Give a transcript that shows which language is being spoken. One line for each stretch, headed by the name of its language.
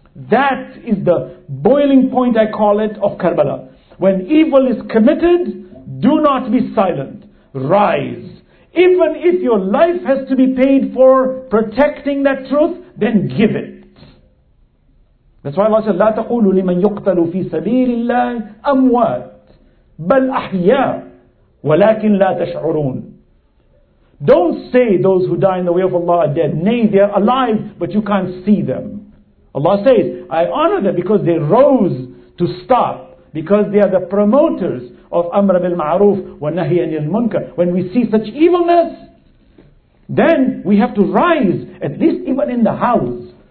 English: That is the boiling point, I call it, of Karbala. When evil is committed, do not be silent. Rise. Even if your life has to be paid for protecting that truth, then give it. That's why Allah said,
Arabic: لَا تَقُولُوا لِمَنْ يُقْتَلُ فِي سَبِيلِ اللَّهِ أَمْوَاتٍ بَلْ أَحْيَا وَلَكِنْ لَا تَشْعُرُونَ.
English: Don't say those who die in the way of Allah are dead. Nay, they are alive, but you can't see them. Allah says, I honor them because they rose to stop, because they are the promoters of Amr bil Ma'ruf wa Nahi anil Munkar. When we see such evilness, then we have to rise, at least even in the house.